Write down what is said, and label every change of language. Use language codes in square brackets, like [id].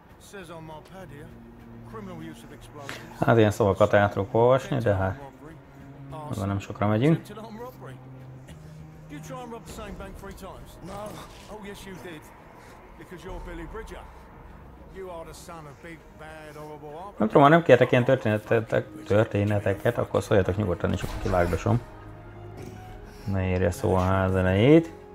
[en] Says on my pad here, criminal use of explosives. [hu] Hát ilyen szavakat el tudok olvasni, de hát azon nem sokra megyünk. [en] Did you try and rob the same bank three times? No. Oh yes you did. Because you're Billy Bridger. You are the son of big, bad, horrible Arbor. [hu] Nem tudom, ha nem kértek ilyen történeteket, akkor szóljatok nyugodtan is, akkor kilágdosom. Ne érje szó a ház elejét.